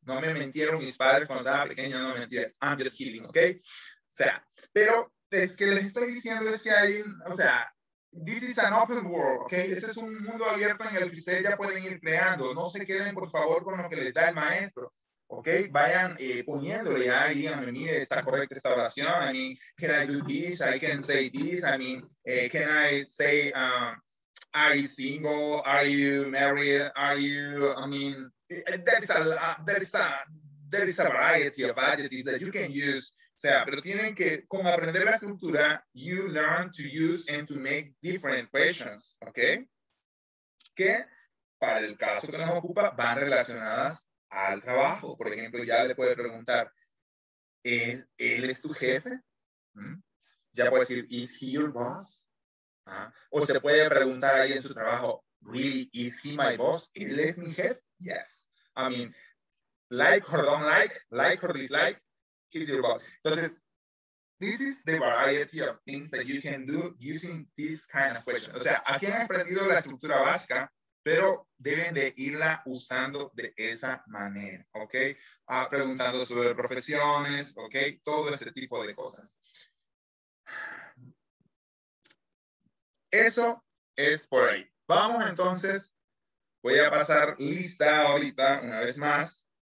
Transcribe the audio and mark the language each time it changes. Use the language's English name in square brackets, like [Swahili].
[Spanish] No me mintieron mis padres cuando estaba pequeño, no mentiras. [English] I'm just kidding, okay? [Spanish] O sea, pero es que les estoy diciendo es que hay, o sea, [English] this is an open world, okay? [Spanish] Este es un mundo abierto en el que ustedes ya pueden ir creando. No se queden, por favor, con lo que les da el maestro. Ok, vayan poniéndole ahí, a mí, mire, está correcta esta oración, [English] I mean, can I do this, I can say this, I mean, can I say, are you single, are you married, are you, I mean, there is a variety of adjectives that you can use [Spanish] sea, pero tienen que, con aprender la estructura, [English] you learn to use and to make different questions, ¿ok? [Spanish] Que, para el caso que nos ocupa, van relacionadas al trabajo. Por ejemplo, ya le puede preguntar, ¿es, él es tu jefe? Ya puede decir, [English] ¿is he your boss? [Spanish] O se puede preguntar ahí en su trabajo, [English] ¿really, is he my boss? [Spanish] ¿Él es mi jefe? [English] Yes. I mean, like or don't like or dislike, he's your boss. [Spanish] Entonces, [English] this is the variety of things that you can do using this kind of question. [Spanish] O sea, aquí han aprendido la estructura básica, pero deben de irla usando de esa manera, ¿ok? Preguntando sobre profesiones, ¿ok? Todo ese tipo de cosas. Eso es por ahí. Vamos entonces, voy a pasar lista ahorita una vez más.